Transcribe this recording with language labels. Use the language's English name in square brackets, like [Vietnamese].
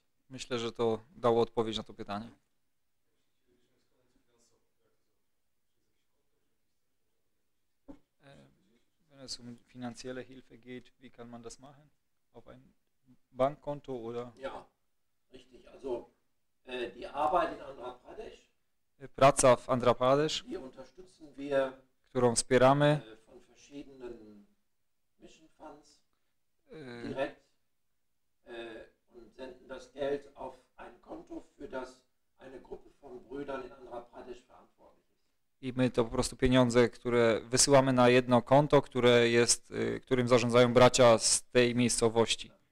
[Polish] Myślę, że to dało odpowiedź na to pytanie. [German] Um finanzielle Hilfe geht, wie kann man das machen? Auf ein Bankkonto oder? Ja, richtig. Also die Arbeit in Andhra Pradesh. [Polish] Praca w Andhra Pradesh. [German] Die unterstützen wir. [Polish] Którą wspieramy. [German] Von verschiedenen Mission Funds. Direkt und senden das Geld auf ein Konto, für das eine Gruppe von Brüdern in Andhra Pradesh verantwortlich. [Polish] I my to po prostu pieniądze, które wysyłamy na jedno konto, które jest, którym zarządzają bracia z tej miejscowości.